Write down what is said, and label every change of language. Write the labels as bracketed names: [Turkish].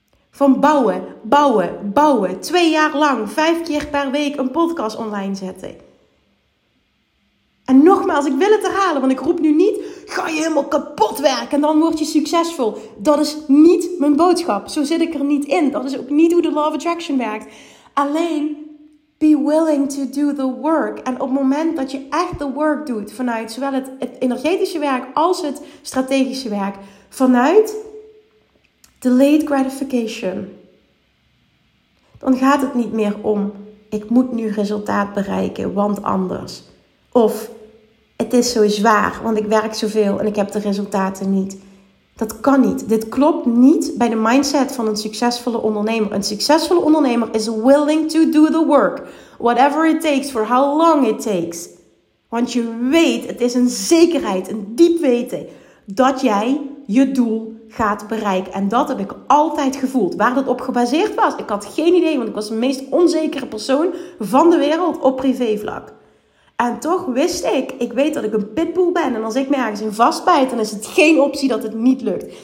[Dutch] Van bouwen, bouwen, bouwen. 2 jaar lang, 5 keer per week een podcast online zetten. En nogmaals, ik wil het herhalen, want ik roep nu niet, ga je helemaal kapot werken en dan word je succesvol. Dat is niet mijn boodschap. Zo zit ik er niet in. Dat is ook niet hoe de law of attraction werkt. [English] Alleen, be willing to do the work. [Dutch] En op het moment dat je echt de work doet, vanuit zowel het energetische werk als het strategische werk, vanuit delayed gratification, dan gaat het niet meer om, ik moet nu resultaat bereiken, want anders. Of, het is zo zwaar, want ik werk zoveel en ik heb de resultaten niet. Dat kan niet. Dit klopt niet bij de mindset van een succesvolle ondernemer. Een succesvolle ondernemer is [English] willing to do the work. Whatever it takes, for how long it takes. [Dutch] Want je weet, het is een zekerheid, een diep weten, dat jij je doel gaat bereiken. En dat heb ik altijd gevoeld. Waar dat op gebaseerd was, ik had geen idee, want ik was de meest onzekere persoon van de wereld op privévlak. En toch wist ik weet dat ik een pitbull ben. En als ik me ergens in vastbijt, dan is het geen optie dat het niet lukt.